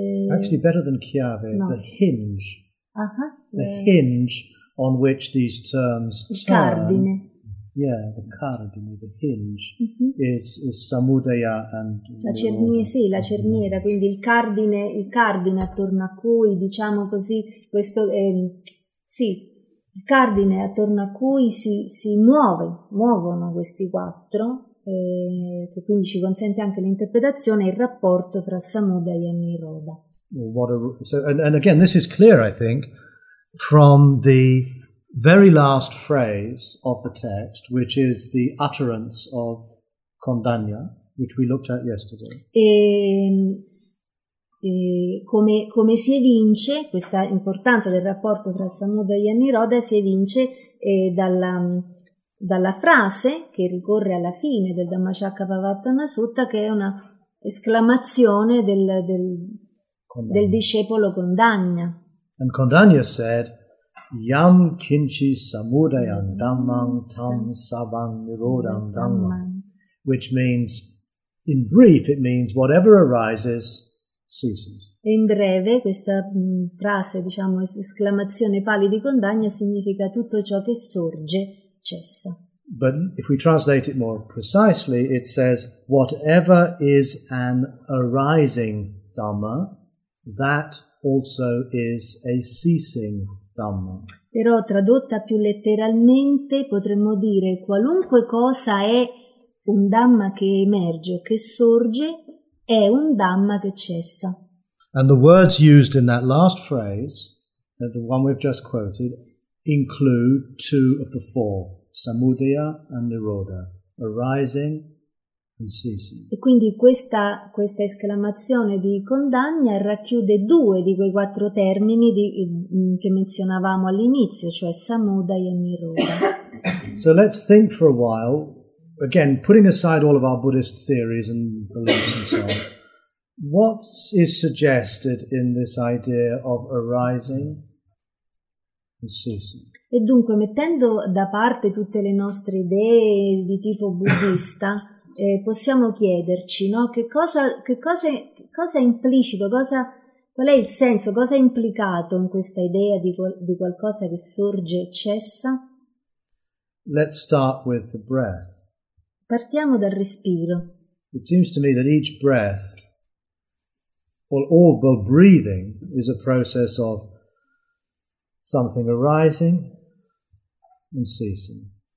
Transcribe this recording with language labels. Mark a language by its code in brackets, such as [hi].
[en] Actually, better than chiave, no. The hinge. The hinge on which these terms [it] cardine. [en] Yeah, the cardine, the hinge, is samudaya and [it] la cerniera, sì, la cerniera, quindi il cardine attorno a cui, diciamo così, questo sì, il cardine attorno a cui si muovono questi quattro, che quindi ci consente anche l'interpretazione, il rapporto tra samudaya e niroda. [en] And again, this is clear, I think, from the very last phrase of the text, which is the utterance of Kondanya, which we looked at yesterday. [it] Come si evince questa importanza del rapporto tra Samudaya e Niroda, si evince dalla frase che ricorre alla fine del Dhammacakkappavattana Sutta, che è una esclamazione del discepolo Condagna. [en] And Condagna said, [pi] Yam kinchi samudayam dhammam tam savam nirodham dhammam, [en] which means, in brief, it means whatever arises ceases. [it] In breve, questa frase, diciamo, esclamazione pali di Condagna, significa tutto ciò che sorge cessa. [en] But if we translate it more precisely, it says, whatever is an arising dhamma, that also is a ceasing dhamma. [it] Però tradotta più letteralmente, potremmo dire, qualunque cosa è un dhamma che emerge o che sorge, è un dhamma che cessa. [en] And the words used in that last phrase, the one we've just quoted, include two of the four, samudaya and nirodha, arising and ceasing. [it] E quindi questa esclamazione di Condagna racchiude due di quei quattro termini che menzionavamo all'inizio, cioè samudaya e nirodha. [en] So let's think for a while, again, putting aside all of our Buddhist theories and beliefs and so on. What is suggested in this idea of arising and ceasing? [it] E dunque, mettendo da parte tutte le nostre idee di tipo buddista, possiamo chiederci, no, cosa è implicato in questa idea di qualcosa che sorge e cessa? [en] Let's start with the breath. [it] Partiamo dal respiro. [en] It seems to me that each breath, all breathing, is a process of something arising and ceasing.